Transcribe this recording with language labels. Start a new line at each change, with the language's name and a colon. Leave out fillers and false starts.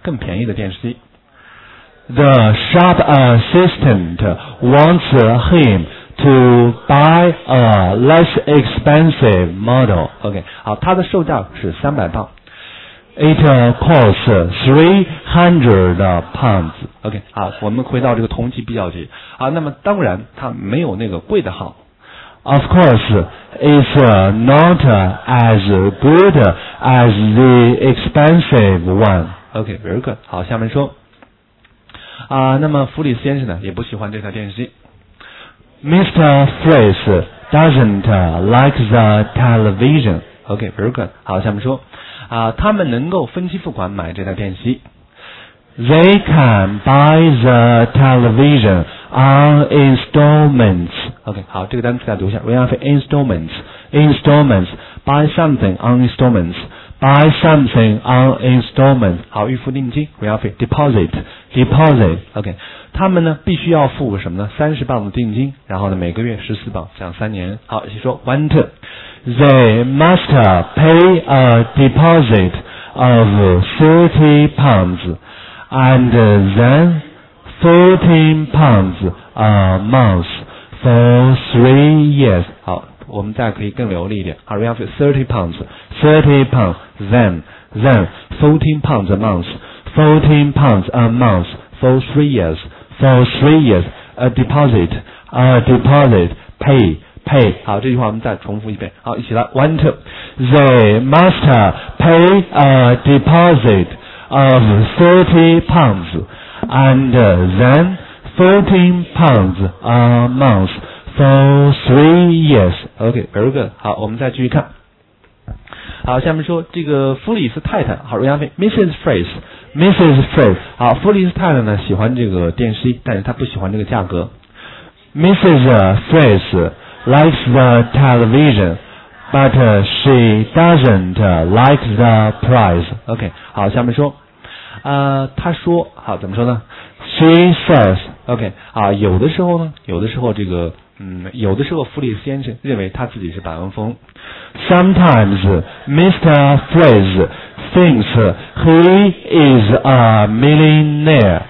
Chinese: 更便宜的电视机。
English: The shop assistant wants him to buy a less expensive model.
Chinese: OK, 好，他的售价是300磅。
English: It costs 300 pounds.
Chinese: OK, 好，我们回到这个同级比较级。好，那么当然它没有那个贵的好。
English: Of course, it's not as good as the expensive one. OK, very good.
Chinese: 好，下面说。那么弗里斯先生呢也不喜欢这台电视机。
English: Mr. Fritz doesn't like the television. OK, very good.
Chinese: 好，下面说。他们能够分期付款买这台电视机。
English: They can buy the television on installments.
Chinese: OK, 好，这个单词再读一下。
English: We have installments. Installments. Buy something on installments. Buy something on installments.
Chinese: 好，预付定金。
English: We have deposit. Deposit.
Chinese: OK, 他们呢必须要付什么呢？30磅的定金，然后呢每个月14磅，这样三年。好，一起说 one two.
English: They must pay a deposit of 30 pounds and then 14 pounds a month for 3 years.
Chinese: 好，我们再可以更流利一点。好，我们要付
English: 30 pounds, then 14 pounds a month, 14 pounds a month for 3 years, a deposit, pay.
Chinese: 好，这句话我们再重复一遍。好，一起来 ，one two.
English: They must pay a deposit of 30 pounds and then 14 pounds a month for 3 years.
Chinese: OK, very good. 好，我们再继续看。好，下面说这个弗里斯太太，好，杨飞 ，Mrs. Fritz. 好，弗里斯太太呢喜欢这个电视机，但是她不喜欢这个价格。
English: Mrs. Fritz. Likes the television, but she doesn't like the price.
Chinese: OK, 好，下面说，他说，好，怎么说呢？
English: She says,
Chinese: OK, 啊，有的时候呢，这个，有的时候弗里先生认为他自己是百万峰。
English: Sometimes Mr. Fraze thinks he is a millionaire.